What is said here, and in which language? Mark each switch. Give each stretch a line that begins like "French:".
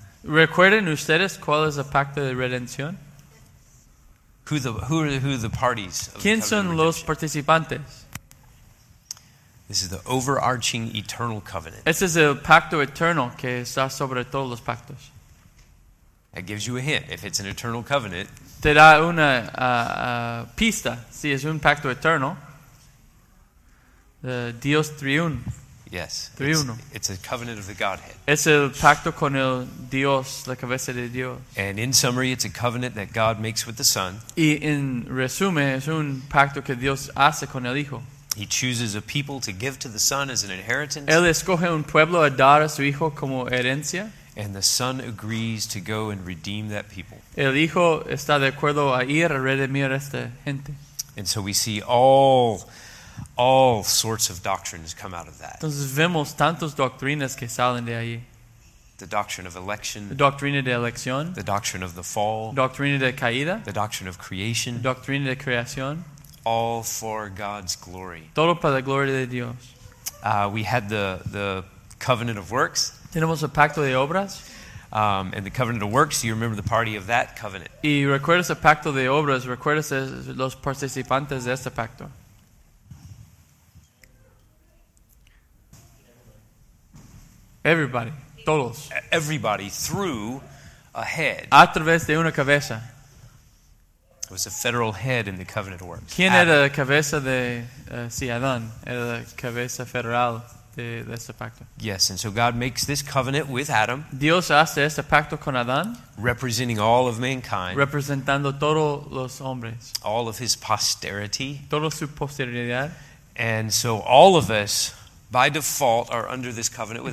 Spanish: ¿Recuerdan ustedes cuál es el pacto de redención?
English: Who are the parties?
Spanish: ¿Quién son los participantes?
English: This is the overarching eternal covenant.
Spanish: Este es el pacto eterno que está sobre todos los pactos.
English: That gives you a hint. If it's an eternal covenant,
Spanish: te da una pista si es un pacto eterno. Dios triuno.
English: Yes.
Spanish: Triuno.
English: It's a covenant of the Godhead.
Spanish: Es el pacto con el Dios, la cabeza de Dios.
English: And in summary, it's a covenant that God makes with the Son.
Spanish: Y en resumen, es un pacto que Dios hace con el Hijo.
English: He chooses a people to give to the Son as an inheritance.
Spanish: Él escoge un pueblo a dar a su Hijo como herencia.
English: And the Son agrees to go and redeem that people.
Spanish: El Hijo está de acuerdo a ir a redimir a esta gente.
English: And so we see all sorts of doctrines come out of that.
Spanish: Entonces vemos tantas doctrinas que salen de ahí.
English: The doctrine of election.
Spanish: La doctrina de elección.
English: The doctrine of the fall.
Spanish: La doctrina de caída.
English: The doctrine of creation.
Spanish: La doctrina de creación.
English: All for God's glory.
Spanish: Todo para la gloria de Dios.
English: We had the covenant of works.
Spanish: Tenemos el pacto de obras.
English: And the covenant of works, do you remember the party of that covenant?
Spanish: Y recuerdas el pacto de obras, recuerdas los participantes de este pacto.
English: Everybody,
Spanish: todos.
English: Everybody through a head.
Spanish: A través de una cabeza.
English: It was a federal head in the covenant of works.
Spanish: ¿Quién era la cabeza de Adán? Era la cabeza federal de este pacto.
English: Yes, and so God makes this covenant with Adam.
Spanish: Dios hace este pacto con Adán.
English: Representing all of mankind.
Spanish: Representando todos los hombres.
English: All of his posterity.
Spanish: Toda su posteridad.
English: And so all of us, by default, are under this covenant with